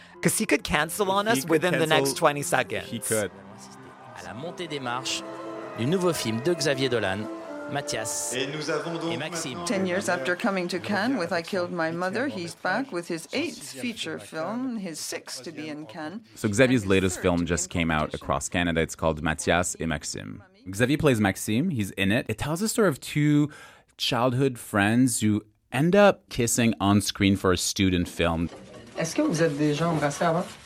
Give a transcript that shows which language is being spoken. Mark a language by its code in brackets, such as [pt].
[en] Because he could cancel on us within the next 20 seconds. He could. [fr] À la montée des marches du nouveau film de Xavier Dolan, Mathias et Maxime. [en] 10 years after coming to Cannes with I Killed My Mother, he's back with his 8th feature film, his 6th to be in Cannes. So Xavier's latest film just came out across Canada. It's called Mathias et Maxime. Xavier plays Maxime. He's in it. It tells the story of two childhood friends who end up kissing on screen for a student film. [fr] Est-ce que vous êtes déjà embrassé avant?